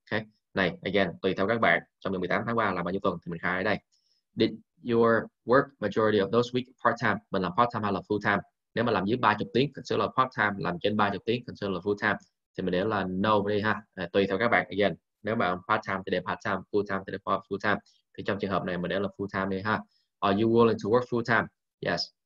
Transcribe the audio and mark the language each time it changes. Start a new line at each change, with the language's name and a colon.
Vietnamese: Ok, này again tùy theo các bạn trong vòng 18 tháng qua là bao nhiêu tuần thì mình khai ở đây.
English: Did your work majority of those week part time?
Vietnamese: Mình làm part time hay là full time? Nếu mà làm dưới 30 tiếng thì sẽ là part time, làm trên 30 tiếng thì sẽ là full time. Thì mình để là no đi ha, tùy theo các bạn. Again, nếu mà part time thì để part time, full time thì để full time. Thì trong trường hợp này mình để là full time đi ha.
English: Are you willing to work full time? Yes.